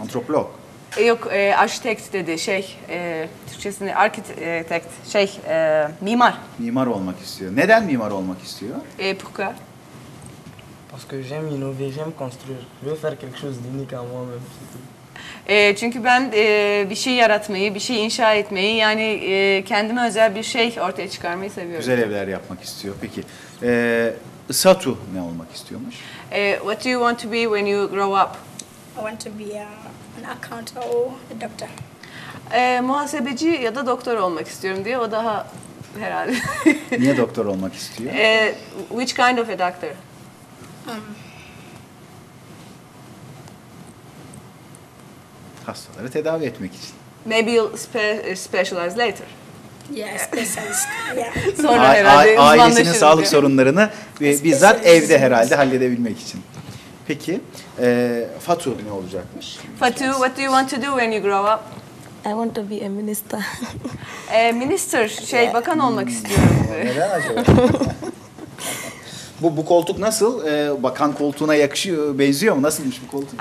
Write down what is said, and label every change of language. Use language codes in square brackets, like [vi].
[tr] Antropolog. Yok, arşitekt dedi. Türkçesini arkitekt. Mimar. Mimar olmak istiyor. Neden mimar olmak istiyor? [fr] Pourquoi? Parce que j'aime innover, j'aime construire. Je veux faire quelque chose d'unique à moi-même. [tr] Çünkü ben bir şey yaratmayı, bir şey inşa etmeyi, yani kendime özel bir şey ortaya çıkarmayı seviyorum. Güzel evler yapmak istiyor. Peki, Satu ne olmak istiyormuş? [en] What do you want to be when you grow up? I want to be an accountant or a doctor. [tr] Muhasebeci ya da doktor olmak istiyorum diyor. O daha herhalde. Niye doktor olmak istiyor? [en] Which kind of a doctor? [tr] Hastaları tedavi etmek için. [en] Maybe you'll specialize later. Yes, specialist. [tr] Ailesinin sağlık sorunlarını bizzat evde herhalde halledebilmek için. Peki, Fatu ne olacakmış? [en] Fatu, what do you want to do when you grow up? I want to be a minister. [tr] Minister, şey, yeah. Bakan olmak istiyorum. Neden acaba? Bu koltuk nasıl? Bakan koltuğuna yakışıyor, benziyor mu? Nasılmış bu koltuk?